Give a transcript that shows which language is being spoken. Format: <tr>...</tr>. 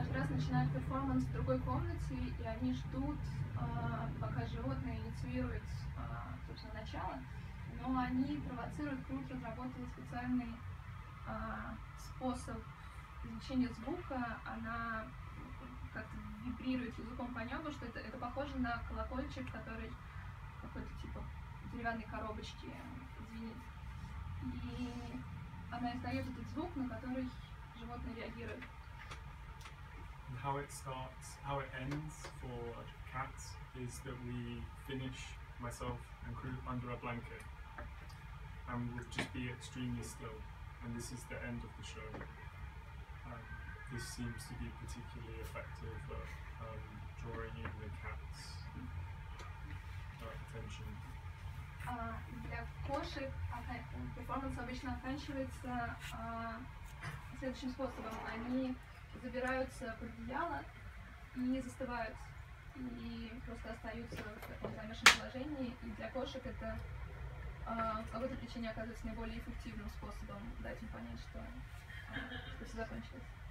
<ru>Начинают перформанс в другой комнате, и они ждут, пока животное инициирует, собственно, начало, но они провоцируют Крут, разработала специальный способ изучения звука, она как-то вибрирует языком по небу, что это похоже на колокольчик, который какой-то типа деревянной коробочки звенит. И она издает этот звук, на который животное реагирует.</ru> <en>How it starts, how it ends for cats is that we finish, myself and Kroot, under a blanket and we'll just be extremely still, and this is the end of the show. This seems to be particularly effective at drawing in the cat's attention.</en> <ru>Для кошек перформанс обычно оканчивается следующим способом. Они забираются под одеяло и не застывают, и просто остаются в таком замешанном положении. И для кошек это по какой-то причине оказывается наиболее эффективным способом дать им понять, что все закончилось.</ru>